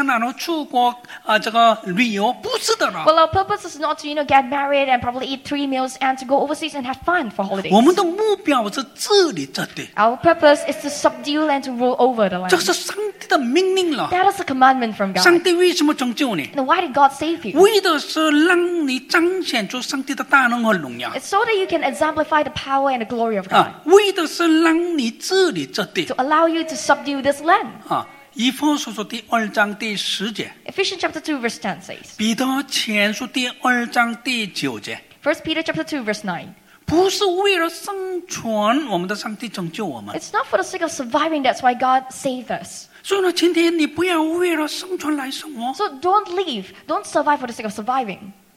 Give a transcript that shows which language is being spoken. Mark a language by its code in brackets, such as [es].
[zh] 我们的目标不是只是结婚生孩子，然后吃三餐，然后出国这个旅游，不是的了。 [en] Well, our purpose is not to, you know, get married and probably eat 3 meals and to go overseas and have fun for holidays. [zh] 我们的目标是治理这地。 [en] Our purpose is to subdue and to rule over the land. [zh] 这是上帝的命令了。 [en] That is a commandment from God. [zh] 上帝为什么拯救你？ [en] And why did God save you? [zh] 为的是让你彰显出上帝的大能和荣耀。 [en] It's so that you can exemplify the power and the glory of God. [zh] 为的是让你治理这地。 [en] To allow you to subdue this land. [zh] 以弗所书第2章第10节。 [en] Ephesians chapter 2 verse 10 says. [zh] 彼得前书第2章第9节。 [en] First Peter chapter 2 verse 9. [zh] 不是为了生存，我们的上帝拯救我们。 [en] It's not for the sake of surviving that's why God saved us. [zh] 所以呢，今天你不要为了生存来生活。 [en] So don't leave, don't survive for the sake of surviving.